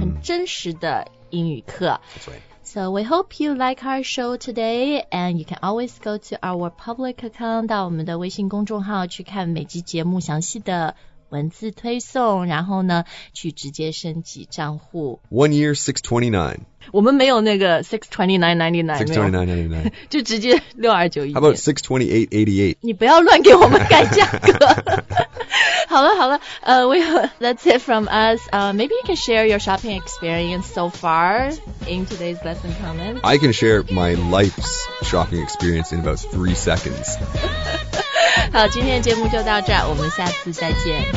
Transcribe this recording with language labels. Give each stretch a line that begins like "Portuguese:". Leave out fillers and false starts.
Chinese: 很真实的英语课。
English: That's right. So we hope you like our show today, and you can always go to our public account,
Chinese: 到我们的微信公众号去看每集节目详细的文字推送，然后呢，去直接升级账户。
English: 1 year, 629.
Chinese: 我们没有那个629.99. 629.99. 就直接629.1.
English: How about 628.88?
Chinese: 你不要乱给我们改价格。好了好了
English: that's it from us. Maybe you can share your shopping experience so far in today's lesson comments. I can share my life's shopping experience in about 3 seconds.
Chinese: 好，今天的节目就到这儿，我们下次再见。